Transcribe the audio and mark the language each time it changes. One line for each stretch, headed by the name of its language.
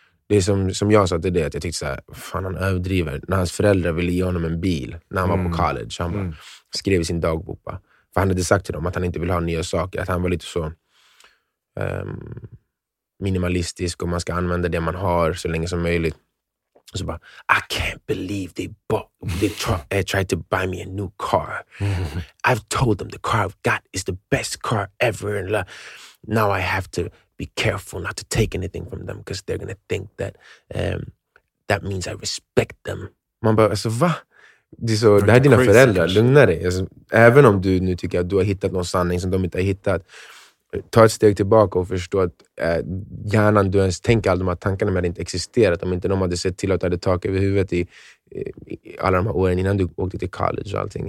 Swedish: Det är som jag sa till det, att jag tyckte så här, fan, han överdriver. När hans föräldrar ville ge honom en bil när han var på college, han skrev i sin dagbok. För han hade sagt till dem att han inte ville ha nya saker. Att han var lite så minimalistisk och man ska använda det man har så länge som möjligt. Och så bara,
English: I can't believe they tried to buy me a new car. Mm-hmm. I've told them the car I've got is the best car ever. And now I have to be careful not to take anything from them because they're going to think that that means I respect them.
Swedish: Man bara, alltså va? Det är så, det här är dina föräldrar, lugna dig. Alltså, även om du nu tycker att du har hittat någon sanning som de inte har hittat. Ta ett steg tillbaka och förstå att hjärnan, du ens tänker all de här tankarna med att inte existerat. Om inte de hade sett till att du hade tak över huvudet i alla de här åren innan du åkte till college och allting.